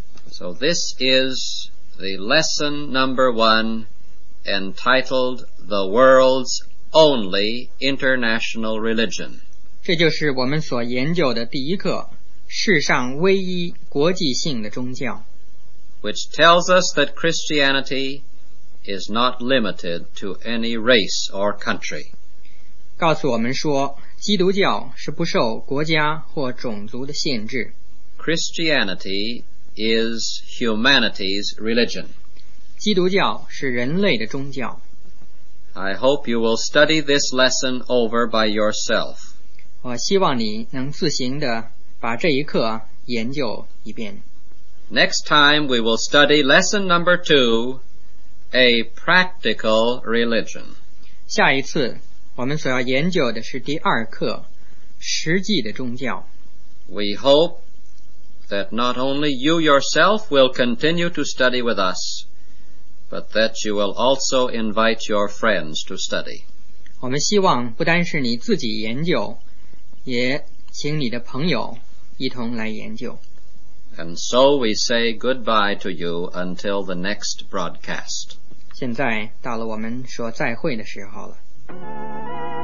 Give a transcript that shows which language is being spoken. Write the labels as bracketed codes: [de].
[en] So this is the lesson number 1 entitled The World's Only International Religion. [zh] 这就是我们所研究的第一课,世上唯一国际性的宗教。 [en] Which tells us that Christianity is not limited to any race or country. [zh] 告诉我们说,基督教是不受国家或种族的限制。 [en] Christianity is humanity's religion. [zh] 基督教是人类的宗教。 [en] I hope you will study this lesson over by yourself. [zh] 我希望你能自行地把这一课研究一遍。 [en] Next time we will study lesson number 2, a practical religion. [zh] 下一次我们所要研究的是第二课，实际的宗教。 [en] We hopeThat not only you yourself will continue to study with us, but that you will also invite your friends to study. [zh] 我们希望不单是你自己研究，也请你的朋友一同来研究。 [en] And so we say goodbye to you until the next broadcast. [zh] 现在到了我们说再会的时候了。